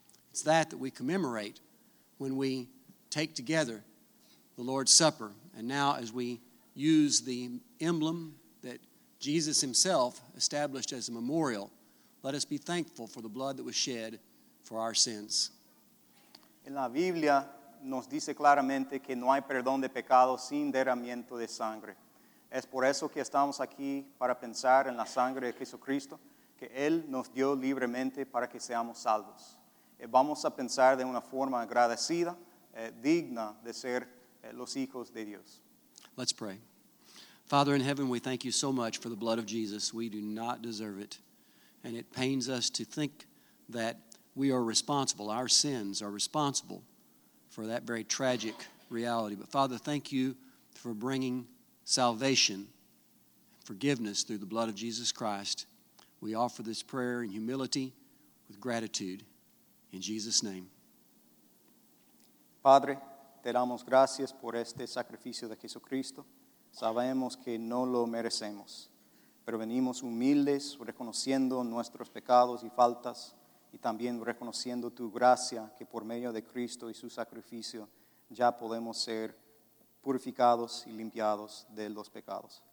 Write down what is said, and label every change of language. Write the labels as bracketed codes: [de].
[en] It's that that we commemorate when we take together the Lord's Supper. And now as we use the emblem that Jesus Himself established as a memorial, let us be thankful for the blood that was shed for our sins. [es] En la Biblia nos dice claramente que no hay perdón de pecado sin derramamiento de sangre. Es por eso que estamos aquí para pensar en la sangre de Jesucristo que Él nos dio libremente para que seamos salvos. Vamos a pensar de una forma agradecida, digna de ser los hijos de Dios. [en] Let's pray. Father in heaven, we thank you so much for the blood of Jesus. We do not deserve it. And it pains us to think that we are responsible, our sins are responsible for that very tragic reality. But Father, thank you for bringing salvation, forgiveness through the blood of Jesus Christ. We offer this prayer in humility with gratitude in Jesus' name. [es] Padre, te damos gracias por este sacrificio de Jesucristo. Sabemos que no lo merecemos. Pero venimos humildes, reconociendo nuestros pecados y faltas, y también reconociendo tu gracia, que por medio de Cristo y su sacrificio ya podemos ser purificados y limpiados de los pecados.